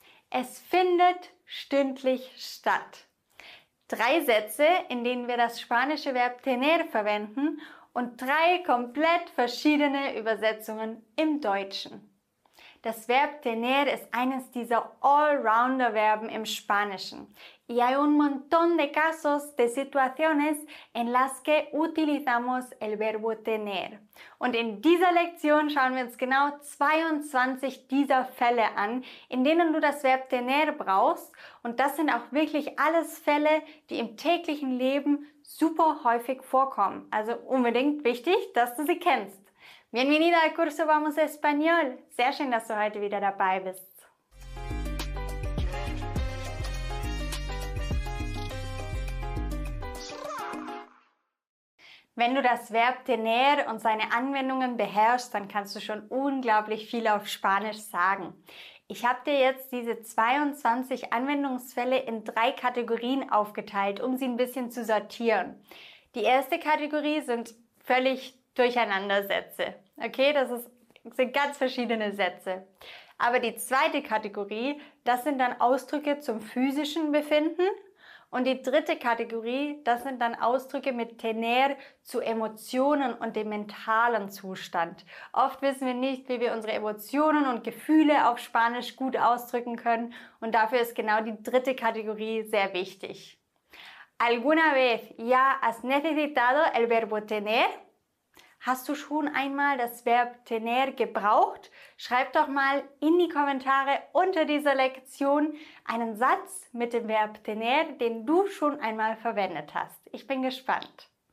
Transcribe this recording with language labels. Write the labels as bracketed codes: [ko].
[de] Es findet stündlich statt. Drei Sätze, in denen wir das spanische Verb tener verwenden und drei komplett verschiedene Übersetzungen im Deutschen. Das Verb tener ist eines dieser Allrounder-Verben im Spanischen. [es] Y hay un montón de casos de situaciones en las que utilizamos el verbo tener. [de] Und in dieser Lektion schauen wir uns genau 22 dieser Fälle an, in denen du das Verb tener brauchst. Und das sind auch wirklich alles Fälle, die im täglichen Leben super häufig vorkommen. Also unbedingt wichtig, dass du sie kennst. [es] Bienvenida al curso Vamos Español. [de] Sehr schön, dass du heute wieder dabei bist. Wenn du das Verb tener und seine Anwendungen beherrschst, dann kannst du schon unglaublich viel auf Spanisch sagen. Ich habe dir jetzt diese 22 Anwendungsfälle in drei Kategorien aufgeteilt, um sie ein bisschen zu sortieren. Die erste Kategorie sind völlig Durcheinandersätze. Okay, das sind ganz verschiedene Sätze. Aber die zweite Kategorie, das sind dann Ausdrücke zum physischen Befinden. Und die dritte Kategorie, das sind dann Ausdrücke mit tener zu Emotionen und dem mentalen Zustand. Oft wissen wir nicht, wie wir unsere Emotionen und Gefühle auf Spanisch gut ausdrücken können. Und dafür ist genau die dritte Kategorie sehr wichtig. [es] ¿Alguna vez ya has necesitado el verbo tener? [de] Hast du schon einmal das Verb tener gebraucht? Schreib doch mal in die Kommentare unter dieser Lektion einen Satz mit dem Verb tener, den du schon einmal verwendet hast. Ich bin gespannt.